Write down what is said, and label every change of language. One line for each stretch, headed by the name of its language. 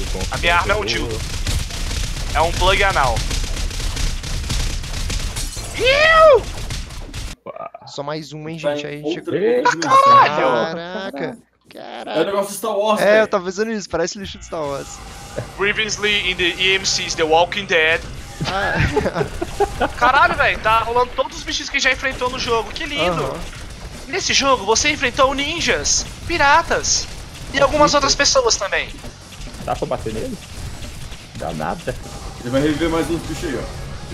Portuguese: A minha arma é um tiro. É um plug anal. Iu! Só mais um, hein, gente. Aí a gente chega. Caraca! É o negócio do Star Wars. É, eu tava vendo isso, parece lixo do Star Wars.
English: Previously in the EMC's The Walking Dead.
Portuguese: Caralho, velho, tá rolando todos os bichos que já enfrentou no jogo, que lindo!
English: Uh-huh.
Portuguese: Nesse jogo você enfrentou ninjas, piratas e algumas outras pessoas também. Dá pra bater nele? Dá nada. Ele vai reviver mais uns bichos aí, ó.